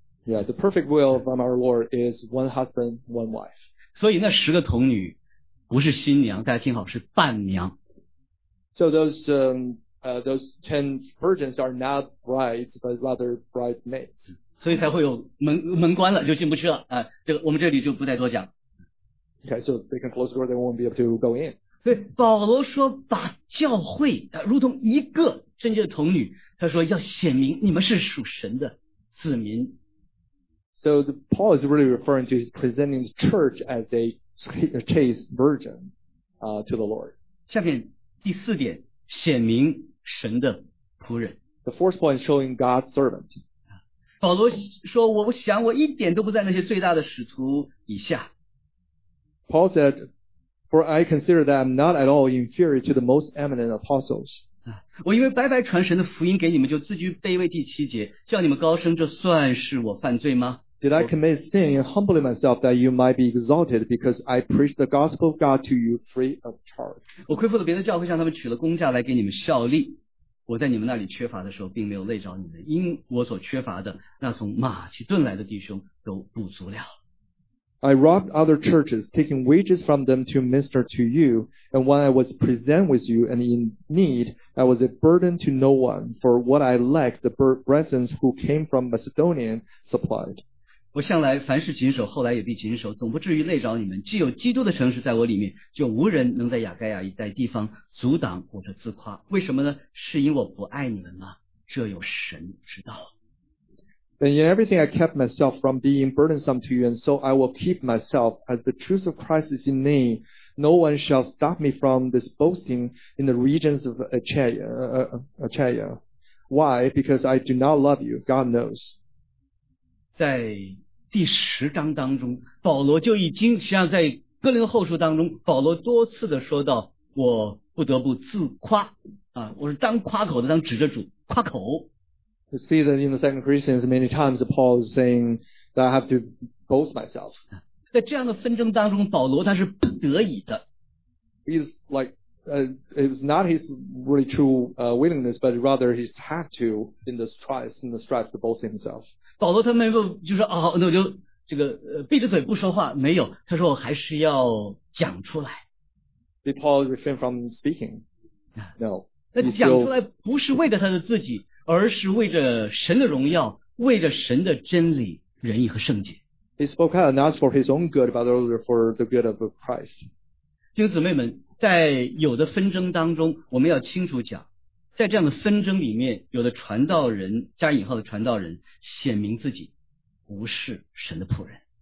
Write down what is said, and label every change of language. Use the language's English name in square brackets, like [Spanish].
[English] Yeah, the perfect will from our Lord is one husband, one wife. [Chinese] 所以那十个童女不是新娘，大家听好，是伴娘。 [English] So those ten virgins are not brides, but rather bridesmaids. [Chinese] 所以才会有门关了，就进不去了。这个我们这里就不再多讲。 [English] Okay, so they can close the door, they won't be able to go in. [Chinese] 对，保罗说把教会如同一个圣洁的童女，他说要显明你们是属神的子民。 [English] So Paul is really referring to his presenting the church as a chaste virgin, to the Lord. [Chinese] 下面第四点，显明神的仆人。 [English] The fourth point is showing God's servant. [Chinese] 保罗说，我想我一点都不在那些最大的使徒以下。 [English] Paul said, for I consider that I'm not at all inferior to the most eminent apostles. [Chinese] 我因为白白传神的福音给你们，就自居卑微。第七节，叫你们高升，这算是我犯罪吗？ [English] Did I commit sin in humbling myself that you might be exalted because I preached the gospel of God to you free of charge? [Chinese] 我亏负了别的教会，向他们取了工价来给你们效力。我在你们那里缺乏的时候并没有累着你们，因我所缺乏的那从马其顿来的弟兄都补足了。 [English] I robbed other churches, taking wages from them to minister to you, and when I was present with you and in need, I was a burden to no one, for what I lacked, the presence who came from Macedonia supplied. [Chinese] 我向来凡事谨守，后来也必谨守，总不至于累着你们。既有基督的诚实在我里面，就无人能在雅盖亚一带地方阻挡我的自夸。为什么呢？是因我不爱你们吗？这有神知道。 [English] And in everything I kept myself from being burdensome to you, and so I will keep myself as the truth of Christ is in me. No one shall stop me from this boasting in the regions of Achaia. Why? Because I do not love you. God knows. [Chinese] 在第十章当中，保罗就已经，实际上在哥林后书当中，保罗多次的说到，我不得不自夸啊，我是当夸口的，当指着主夸口。 [English] To see that in the second Corinthians, many times Paul is saying that I have to boast myself. [Chinese] 在这样的纷争当中，保罗他是不得已的。 [English] He's like, it's not his really true willingness, but rather he's have to in the strife to boast himself. [Chinese] 保罗他没有就说、是、哦，那我就这个闭着嘴不说话，没有，他说我还是要讲出来。 [English] Did Paul refrain from speaking? No. [Chinese] 那讲出来不是为了他的自己。而是为着神的荣耀，为着神的真理、仁义和圣洁。 [English] He spoke out not for his own good, but rather for the good of Christ. [Chinese] 弟兄姊妹们，在有的纷争当中，我们要清楚讲，在这样的纷争里面，有的传道人加引号的传道人显明自己不是神的仆人。